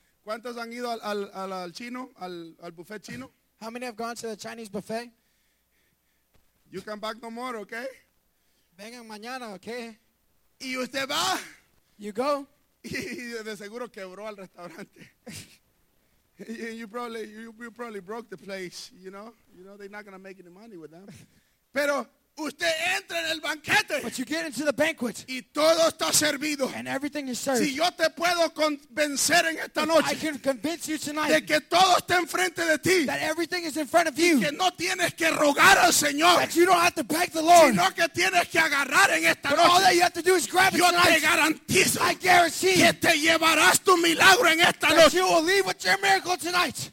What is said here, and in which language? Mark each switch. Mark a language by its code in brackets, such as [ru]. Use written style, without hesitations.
[es] ¿Cuántos han ido al chino, al buffet chino? [en] How many have gone to the Chinese buffet? You come back no more, okay? [es] Vengan mañana, okay? Y usted va. [en] You go. [es] Y de seguro quebró al restaurante. [en] You probably broke the place, you know? You know, they're not going to make any money with them. [es] Pero usted entra en el banquete. [en] But you get into the banquet. [es] Y todo está servido. [en] And everything is served. [es] Si yo te puedo convencer en esta noche. [en] I can convince you tonight. [es] De que todo está enfrente de ti. [en] That everything is in front of you. [es] Y que no tienes que rogar al Señor. [en] That you don't have to beg the Lord. [es] Sino que tienes que agarrar en esta [en] but [es] noche. [en] All that you have to do is grab it [es] yo [en] tonight. [es] Yo te garantizo. [en] I guarantee. [es] Que te llevarás tu milagro en esta [en] that [es] noche. [en] That you will leave with your miracle tonight.